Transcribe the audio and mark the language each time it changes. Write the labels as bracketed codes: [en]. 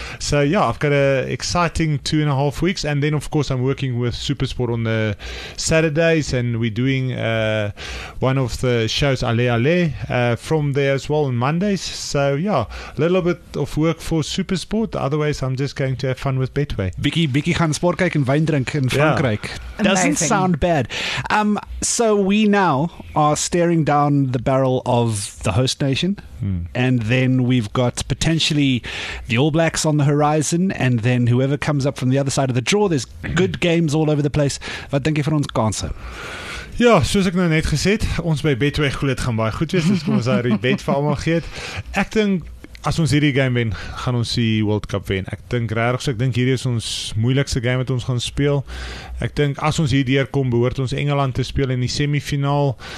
[en] So, yeah, I've got an exciting 2.5 weeks. And then, of course, I'm working with Supersport on the Saturdays, and we're doing one of the shows, Ale Ale, from there as well on Mondays. So, yeah, a little bit of work for Supersport. Otherwise, I'm just going to have fun with Betway. [af] Bicky gaan sport kijken, wijn drinken in Frankrijk. [en] Doesn't sound bad. So we now are staring down the barrel of the host nation. And then we've got potentially the All Blacks on the horizon. And then whoever comes up from the other side of the draw, there's good games all over the place. [af] Wat dink jy van ons kanse? Ja, soos ek nou net gesê het, ons by Betway glo dit gaan baie goed wees, dus kom ons daar die bet vir almal gee. Ek dink as ons hierdie game wen, gaan ons die World Cup wen. Ek dink regtig, ek dink hierdie is ons moeilikste game wat ons gaan speel. Ek dink as ons hier deurkom, behoort ons Engeland te speel in die semifinaal.